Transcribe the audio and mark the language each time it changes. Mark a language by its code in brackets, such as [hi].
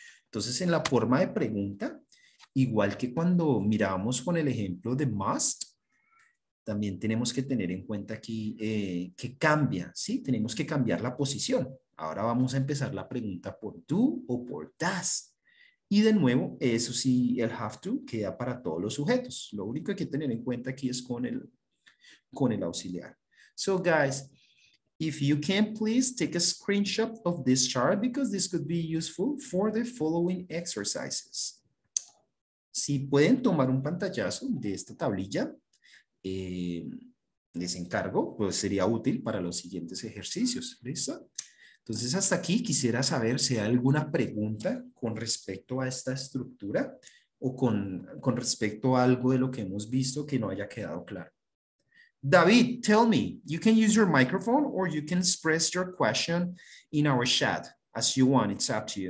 [es] Entonces, en la forma de pregunta, igual que cuando miramos con el ejemplo de must, también tenemos que tener en cuenta aquí que cambia, ¿sí? Tenemos que cambiar la posición. Ahora vamos a empezar la pregunta por do o por does. Y de nuevo, eso sí, el have to queda para todos los sujetos. Lo único que hay que tener en cuenta aquí es con el auxiliar. [en] So guys, if you can, please take a screenshot of this chart because this could be useful for the following exercises. [es] Si pueden tomar un pantallazo de esta tablilla, les encargo, pues sería útil para los siguientes ejercicios. ¿Listo? Entonces, hasta aquí quisiera saber si hay alguna pregunta con respecto a esta estructura o con respecto a algo de lo que hemos visto que no haya quedado claro. [en] David, tell me, you can use your microphone or you can express your question in our chat as you want, it's up to you.